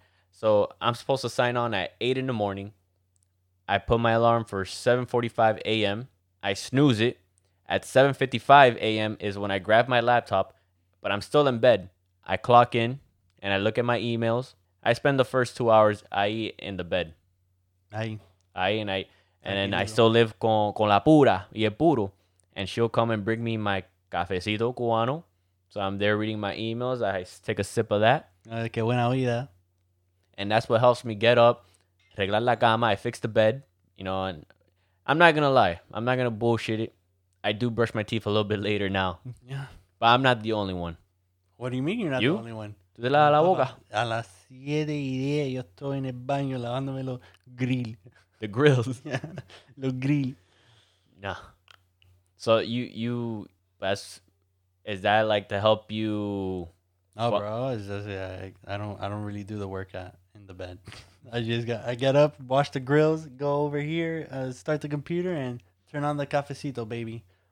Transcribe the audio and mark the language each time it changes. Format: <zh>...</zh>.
<en>So I'm supposed to sign on at 8 in the morning. I put my alarm for 7:45 a.m. I snooze it. At 7:55 a.m. is when I grab my laptop, but I'm still in bed. I clock in, and I look at my emails. I spend the first 2 hours,</en> <es>ahí</es> <en>in the bed. I still live</en> <es>con la pura y el puro.</es> <en>And she'll come and bring me my cafecito cubano. So I'm there reading my emails. I take a sip of that.</en> <es>Qué buena vida.</es> <en>And that's what helps me get up,</en> <es>arreglar la cama.</es> <en>I fix the bed, you know. And I'm not going to lie. I'm not going to bullshit it. I do brush my teeth a little bit later now. Yeah. But I'm not the only one. What do you mean you're not the only one?</en> <es>Tú te lavas la boca. A las 7:10 yo estoy en el baño lavándome los grills.</es> <en>The grills.</en> <es>Yeah. Los grills.</es> <en>Nah. So you, that's, is that like to help you? Oh, bro. I don't really do the workout in the bed. I get up, wash the grills, go over here, start the computer and turn on the cafecito, baby.</en>